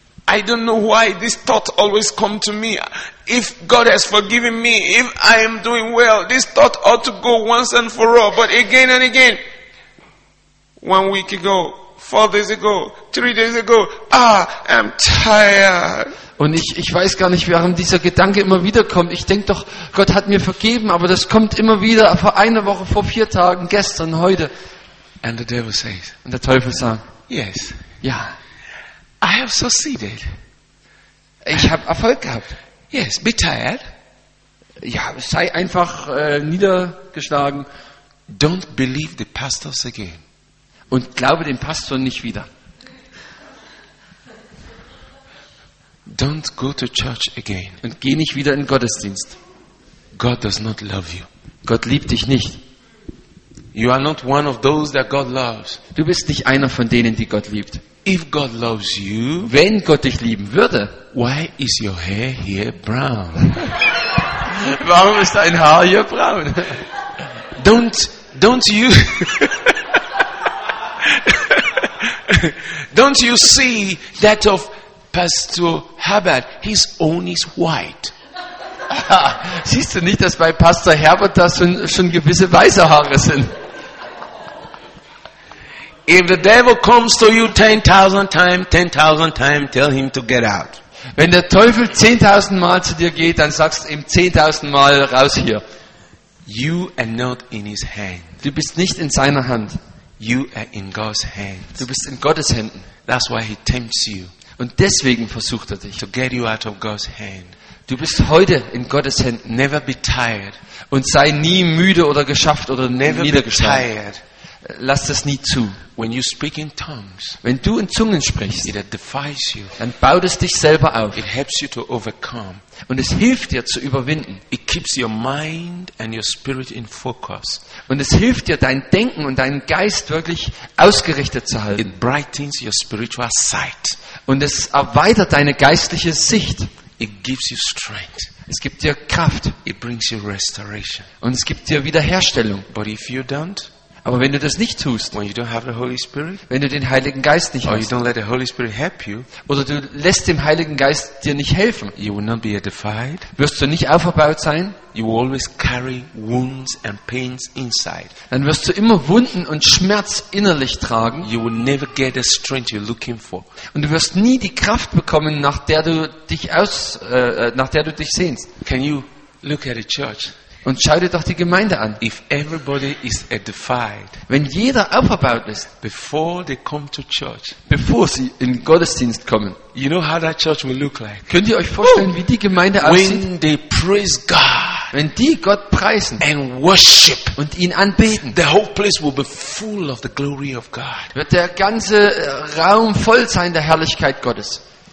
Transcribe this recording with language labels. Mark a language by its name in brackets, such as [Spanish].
[English] I don't know why this thought always comes to me. If God has forgiven me, if I am doing well, this thought ought to go once and for all. But again and again, 1 week ago, 4 days ago, 3 days ago, I'm tired. [German] Und ich weiß gar nicht, warum dieser Gedanke immer wieder kommt. Ich denke doch, Gott hat mir vergeben, aber das kommt immer wieder vor einer Woche, vor 4 Tagen, gestern, heute. [English] And the devil says. [German] Und der Teufel sagt. [English] Yes. [German] Ja. [English] I have succeeded. [German] Ich habe Erfolg gehabt. [English] Yes, be tired. [German] Ja, sei einfach niedergeschlagen. [English] Don't believe the pastors again. [German] Und glaube dem Pastor nicht wieder. [English] Don't go to church again. [German] Und geh nicht wieder in Gottesdienst. [English] God does not love you. [German] Gott liebt dich nicht. [English] You are not one of those that God loves. [German] Du bist nicht einer von denen, die Gott liebt. [English] If God loves you, [German] wenn Gott dich lieben würde, [English] why is your hair here brown? [German] Warum ist dein Haar hier braun? [English] Don't you see that of Pastor Herbert? His own is white. [German] Siehst du nicht, dass bei Pastor Herbert da schon gewisse weiße Haare sind? [English] If the devil comes to you 10,000 times, tell him to get out. [German] Wenn der Teufel 10,000 Mal zu dir geht, dann sagst ihm 10,000 Mal raus hier. [English] You are not in his hand. [German] Du bist nicht in seiner Hand. [English] You are in God's hands. [German] Du bist in Gottes Händen. [English] That's why he tempts you. [German] Und deswegen versucht er dich. [English] To get you out of God's hand. [German] Du bist heute in Gottes Händen. [English] Never be tired. [German] Und sei nie müde oder geschafft oder [English] never [German] niedergeschlagen. [English] Be tired. [German] Lass das nie zu. [English] When you speak in tongues, [German] wenn du in Zungen sprichst, [English] it defies you. [German] Dann baut es dich selber auf. [English] It helps you to overcome. [German] Und es hilft dir zu überwinden. [English] It keeps your mind and your spirit in focus. [German] Und es hilft dir, dein Denken und deinen Geist wirklich ausgerichtet zu halten. [English] It brightens your spiritual sight. [German] Und es erweitert deine geistliche Sicht. [English] It gives you strength. [German] Es gibt dir Kraft. [English] It brings you restoration. [German] Und es gibt dir Wiederherstellung. [English] But if you don't, [German] aber wenn du das nicht tust, [English] when you don't have the Holy Spirit, [German] wenn du den Heiligen Geist nicht hast, [English] or you don't let the Holy Spirit help you, [German] oder du lässt dem Heiligen Geist dir nicht helfen, [English] you will not be edified, [German] wirst du nicht aufgebaut sein, [English] you will always carry wounds and pains inside, [German] dann wirst du immer Wunden und Schmerz innerlich tragen, [English] you will never get the strength you're looking for, [German] und du wirst nie die Kraft bekommen, nach der du dich sehnst. [English] Can you look at a church? [German] Und schau dir doch die Gemeinde an. [English] If everybody is edified, [German] wenn jeder aufgebaut ist, [English] before they come to church, [German] bevor sie in Gottesdienst kommen, [English] you know how that church will look like. [German] Könnt ihr euch vorstellen, wie die Gemeinde aussieht? [English] When they praise God, [German] wenn die Gott preisen [English] and worship, [German] und ihn anbeten, [English] the whole place will be full of the glory of God. [German] Wird der ganze Raum voll sein der Herrlichkeit Gottes.